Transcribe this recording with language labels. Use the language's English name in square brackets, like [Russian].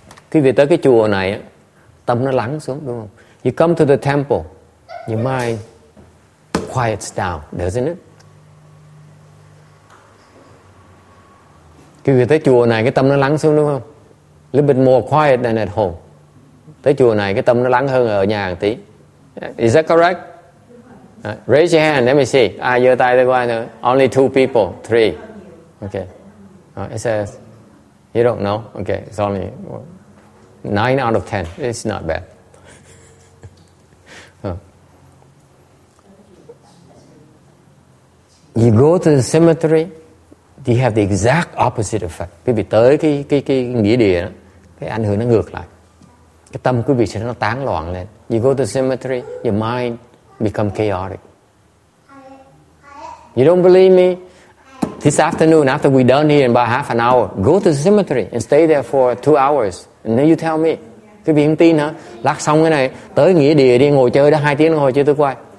[Vietnamese] Khi về tới cái chùa này, tâm nó lắng xuống, đúng không? [English] You come to the temple, your mind quiets down, doesn't it? [Vietnamese] Khi về tới chùa này, cái tâm nó lắng xuống, đúng không? [English] A little bit more quiet than at home. [Vietnamese] Tới chùa này, cái tâm nó lắng hơn ở nhà một tí. [English] Is that correct? Raise your hand. Let me see. Ah, [Vietnamese] giơ tay đây qua nữa. [English] Only 2 people. 3. Okay. It says, you don't know. Okay. It's only 9 out of 10. It's not bad. You go to the cemetery, you have the exact opposite effect. [Vietnamese] Quý vị tới cái nghĩa địa đó, cái ảnh hưởng nó ngược lại. Cái tâm quý vị sẽ nó tán loạn lên. [English] You go to the cemetery, your mind become chaotic. You don't believe me? This afternoon, after we're done here in about half an hour, go to the cemetery and stay there for 2 hours. And then you tell me. [Vietnamese] Quý vị không tin hả? Lát xong cái này, tới nghĩa địa đi ngồi chơi đó 2 tiếng ngồi chơi tôi quay.